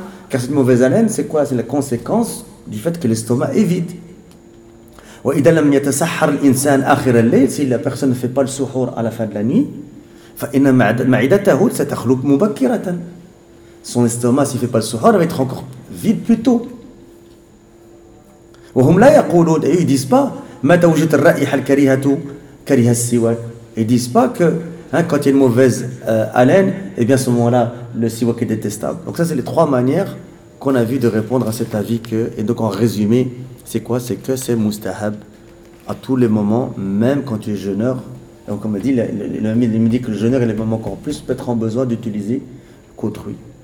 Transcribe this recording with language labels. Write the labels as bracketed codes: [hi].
[fr] Car cette mauvaise haleine, c'est quoi? C'est la conséquence du fait que l'estomac est vide. [ar] وإذا لم يتسحر الإنسان آخر الليل [fr] si la personne ne fait pas le suhur à la fin de la nuit [ar] فإن معدته ستخلو مبكرة. [fr] Son estomac, s'il ne fait pas le suhur, va être encore vide plus tôt. [ar] وهم لا يقولون, [fr] et ils disent pas [ar] متى وجدت الرائحة الكريهة كريهة السواك. [fr] Ils disent pas que hein, quand il y a une mauvaise haleine, et bien à ce moment-là le siwak est détestable. Donc ça, c'est les trois manières qu'on a vu de répondre à cet avis. Que, et donc en résumé, c'est quoi? C'est que c'est mustahab à tous les moments, même quand tu es jeûneur. Donc comme dit il me dit que le jeûneur est le moment qu'on plus peut être en besoin d'utiliser qu'autrui.